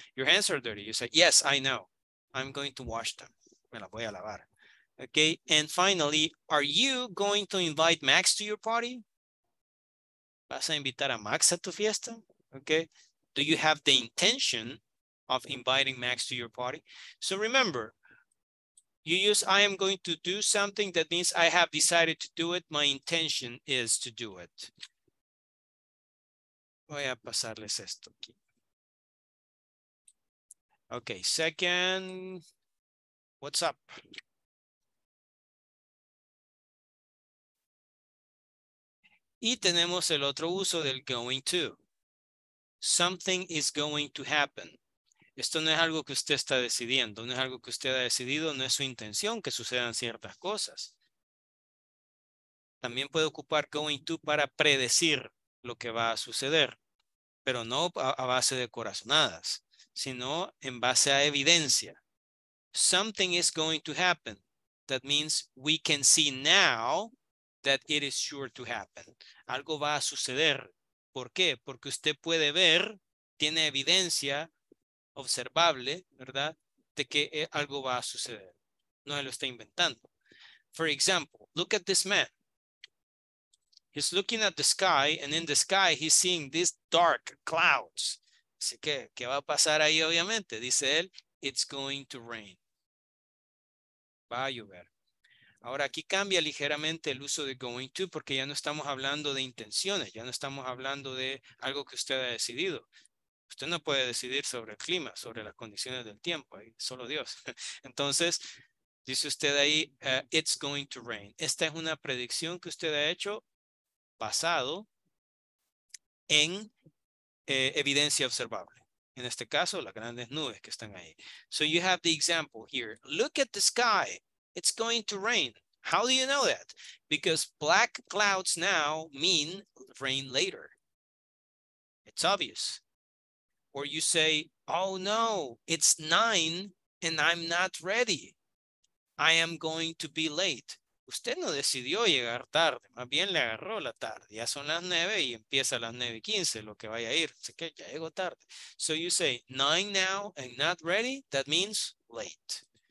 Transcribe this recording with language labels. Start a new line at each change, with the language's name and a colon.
English: Your hands are dirty. You say, yes, I know. I'm going to wash them.
Spanish: Me las voy a lavar.
English: Okay. And finally, are you going to invite Max to your party?
Spanish: ¿Vas a invitar a Max a tu fiesta?
English: Okay. Do you have the intention of inviting Max to your party? So remember, you use I am going to do something. That means I have decided to do it. My intention is to do it.
Spanish: Voy a pasarles esto aquí.
English: Okay, second, what's up?
Spanish: Y tenemos el otro uso del going to.
English: Something is going to happen.
Spanish: Esto no es algo que usted está decidiendo, no es algo que usted ha decidido, no es su intención que sucedan ciertas cosas. También puede ocupar going to para predecir lo que va a suceder, pero no a base de corazonadas, sino en base a evidencia.
English: Something is going to happen. That means we can see now that it is sure to happen.
Spanish: Algo va a suceder. ¿Por qué? Porque usted puede ver, tiene evidencia observable, ¿verdad? De que algo va a suceder. No se lo está inventando.
English: For example, look at this man. He's looking at the sky, and in the sky, he's seeing these dark clouds.
Spanish: Así que, ¿qué va a pasar ahí, obviamente? Dice él,
English: it's going to rain.
Spanish: Va a llover. Ahora, aquí cambia ligeramente el uso de going to, porque ya no estamos hablando de intenciones, ya no estamos hablando de algo que usted ha decidido. Usted no puede decidir sobre el clima, sobre las condiciones del tiempo, ahí, solo Dios. Entonces, dice usted ahí,
English: it's going to rain.
Spanish: Esta es una predicción que usted ha hecho basado en evidencia observable. En este caso, las grandes nubes que están ahí.
English: So you have the example here. Look at the sky. It's going to rain. How do you know that? Because black clouds now mean rain later. It's obvious. Or you say, oh no, it's 9 and I'm not ready. I am going to be late.
Spanish: Usted no decidió llegar tarde, más bien le agarró la tarde. Ya son las 9 y empieza las 9:15, lo que vaya a ir. Así que ya llegó tarde.
English: So you say, 9 now and not ready, that means late.